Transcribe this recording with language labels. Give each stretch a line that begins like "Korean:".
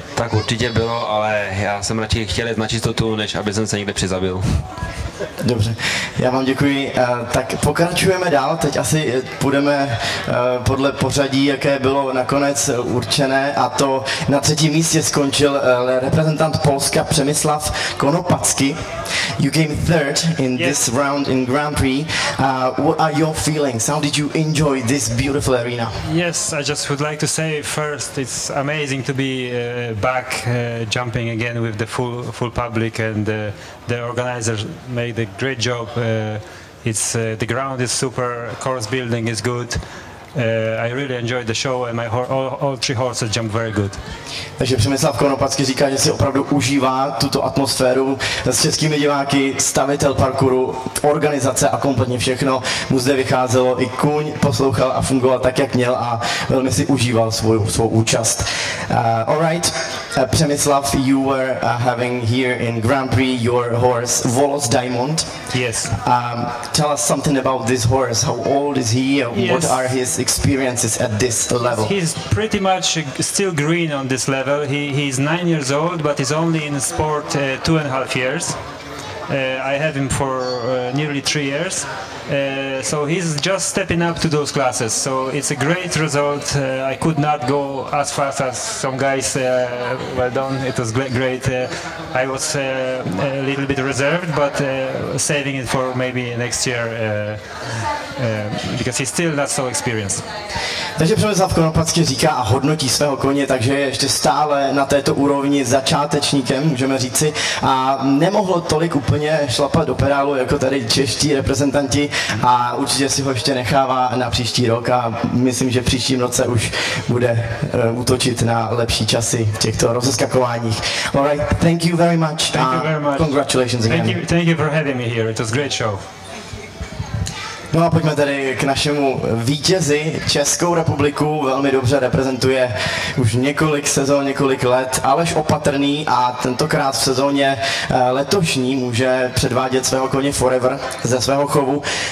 Czech: Tak určitě bylo, ale já jsem radši chtěl jít na čistotu, než aby jsem se někde přizabil. Dobře, já vám děkuji. Tak pokračujeme dál, teď asi půjdeme podle pořadí, jaké bylo nakonec určené a to na třetím místě skončil reprezentant Polska Přemyslav Konopacky.
English: You came third in this round in Grand Prix. What are your feelings? How did you enjoy this beautiful arena? Yes, I just would like to say first, it's amazing to be back jumping again with the full public and the organizers made a great job. It's the ground is super, course building is good. I really enjoyed the show and my all three horses jumped very good.
Czech: Takže Přemyslav Konopacky říká, že si opravdu užívá tuto atmosféru s českými diváky, stavitel parkouru, organizace a kompletně všechno. Mu zde vycházelo i kůň, poslouchal a fungoval tak, jak měl a velmi si užíval svou účast.
English: Alright, Přemyslav, you were having here in Grand Prix your horse Volos Diamond. Yes. Tell us something about this horse. How old is he? Yes. What are his experiences at this level? He's pretty much still green on this level. He's 9 years old, but he's only in sport 2.5 years. I have him for nearly 3 years. So he's just stepping up to those classes. So it's a great result. I could not go as fast as some guys. Well done. It was great. I was a little bit reserved, but saving it for maybe next year because he's still not so experienced.
Czech: Takže Přemyslav Konopacky říká a hodnotí svého koně, takže je ještě stále na této úrovni začátečníkem, můžeme říci, a nemohlo tolik úplně šlapat do pedálu jako tady čeští reprezentanti a určitě si ho ještě nechává na příští rok a myslím, že příštím roce už bude útočit na lepší časy v těchto rozeskakováních.
English: All right, thank you very much. Thank you very much. Congratulations again. Thank you for having me here. It was a great show.
Czech: No a pojďme tady k našemu vítězi. Českou republiku velmi dobře reprezentuje už několik sezón, několik let. Aleš Opatrný a tentokrát v sezóně letošní může předvádět svého koně Forever ze svého chovu.